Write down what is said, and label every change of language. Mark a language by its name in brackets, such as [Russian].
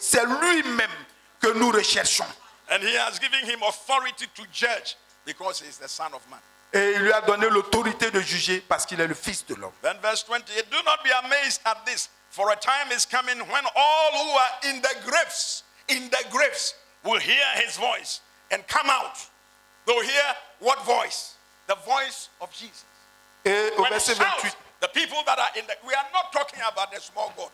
[French] C'est lui-même que nous recherchons. [English] And he has given him authority to judge because he is the Son of Man. [French] Et il lui a donné l'autorité de juger parce qu'il est le Fils de l'homme. [English] Then verse 28, do not be amazed at this. For a time is coming when all who are in the graves, will hear his voice and come out. They'll hear what voice? The voice of Jesus. The people that are in the, we are not talking about a small God.